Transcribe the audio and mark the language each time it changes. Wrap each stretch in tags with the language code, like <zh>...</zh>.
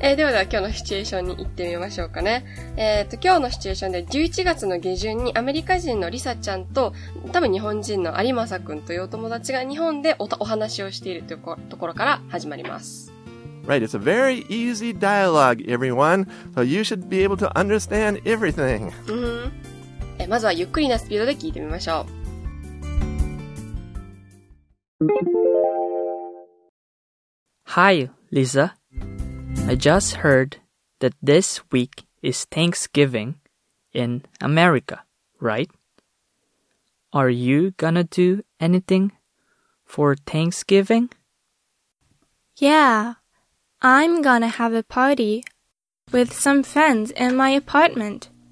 <ja>ではでは今日のシチュエーションに行ってみましょうかね。今日のシチュエーションで11月の下旬にアメリカ人のリサちゃんと多分日本人の有政くんというお友達が日本で お話をしているというところから始まります。</ja> <en>Right, it's a very easy dialogue, everyone. So you should be able to understand everything.</en> <ja>まずはゆっくりなスピードで聞いてみましょう。</ja> <en>Hi, Lisa. I just heard that this week is Thanksgiving in America, right? Are you gonna do anything for Thanksgiving? Yeah, I'm gonna have a party with some friends in my apartment.</en>